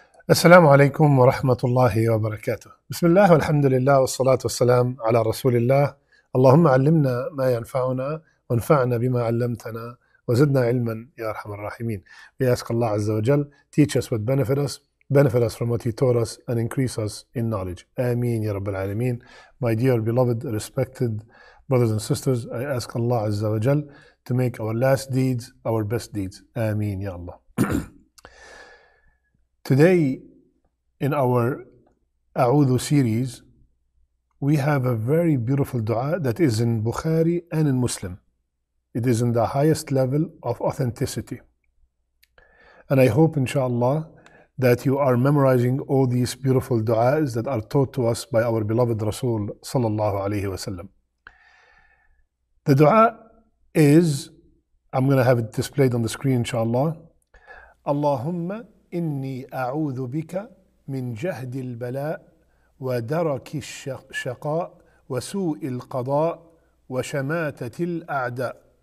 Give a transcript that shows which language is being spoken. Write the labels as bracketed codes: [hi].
[ar] السلام عليكم ورحمة الله وبركاته. بسم الله والحمد لله والصلاة والسلام على رسول الله. اللهم علمنا ما ينفعنا وانفعنا بما علمتنا وزدنا علما يا أرحم الراحمين. [en] We ask Allah عز وجل, teach us what benefit us from what He taught us and increase us in knowledge. آمين يا رب العالمين. My dear beloved respected brothers and sisters, I ask Allah عز وجل to make our last deeds our best deeds. آمين يا الله. Today, in our A'udhu series, we have a very beautiful dua that is in Bukhari and in Muslim. It is in the highest level of authenticity. And I hope, inshallah, that you are memorizing all these beautiful du'as that are taught to us by our beloved Rasul sallallahu alayhi wa sallam. The dua is, I'm going to have it displayed on the screen, inshallah. Allahumma. [ar] إني أعوذ بك من جهد البلاء ودرك الشقاء وسوء القضاء وشماتة الأعداء.